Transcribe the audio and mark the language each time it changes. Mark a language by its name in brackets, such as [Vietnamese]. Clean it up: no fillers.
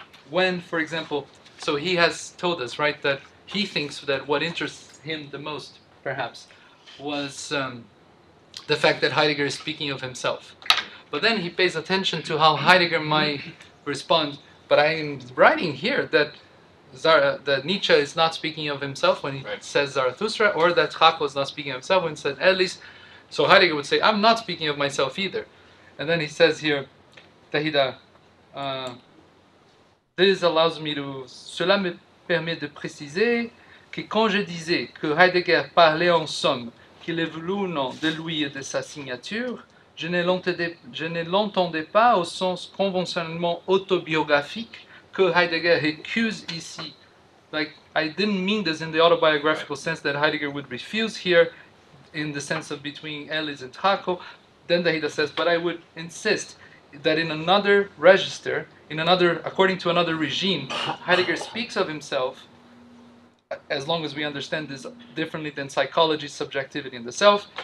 [English] When, for example, so he has told us, right, that he thinks that what interests him the most, perhaps, was the fact that Heidegger is speaking of himself. But then he pays attention to how Heidegger might respond, but I'm writing here that that Nietzsche is not speaking of himself when he says Zarathustra, or that Jacques is not speaking of himself when he said at least. So Heidegger would say, I'm not speaking of myself either. And then he says here, Derrida, this allows me to, [French] cela me permet de préciser que quand je disais que Heidegger parlait en somme, qu'il est voulu ou non de lui et de sa signature, je ne l'entendais pas au sens conventionnellement autobiographique que Heidegger accuse ici. [English] Like, I didn't mean this in the autobiographical sense that Heidegger would refuse here, in the sense of between Ellis and Jacques. Then Derrida says, but I would insist that in another register, according to another regime, Heidegger speaks of himself, as long as we understand this differently than psychology, subjectivity, and the self.